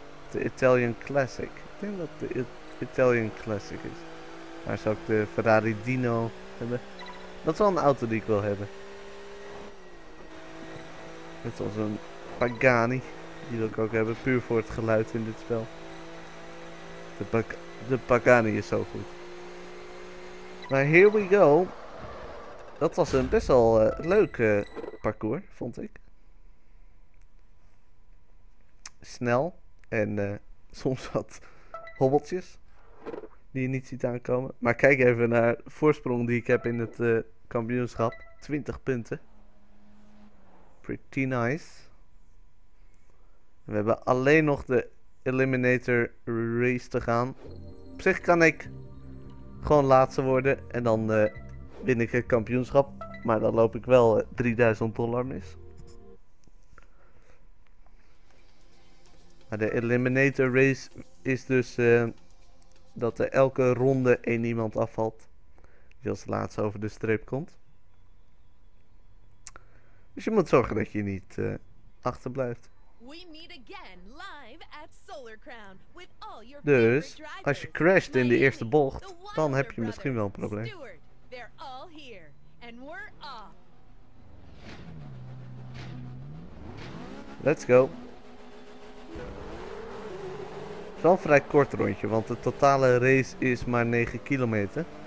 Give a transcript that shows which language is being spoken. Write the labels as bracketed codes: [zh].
[nl] De Italian Classic. Ik denk dat de Italian Classic is. Daar zou ik de Ferrari Dino hebben. Dat is wel een auto die ik wil hebben. Net zoals een Pagani. Die wil ik ook hebben, puur voor het geluid in dit spel. De Pagani is zo goed. Maar [en] here we go. [nl] dat was een best wel leuk parcours, vond ik. Snel en soms wat hobbeltjes die je niet ziet aankomen. Maar kijk even naar de voorsprong die ik heb in het kampioenschap. 20 punten. [en] Pretty nice. [nl] We hebben alleen nog de Eliminator race te gaan. Op zich kan ik gewoon laatste worden en dan win ik het kampioenschap. Maar dan loop ik wel $3000 mis. Maar de Eliminator race is dus dat er elke ronde één iemand afvalt die als laatste over de streep komt. Dus je moet zorgen dat je niet achterblijft. [en] We meet again live at Solar Crown with all your [nl] dus, als je crasht in de eerste bocht, dan heb je misschien wel een probleem. [en] Let's go. [nl] Het is wel een vrij kort rondje, want de totale race is maar 9 kilometer.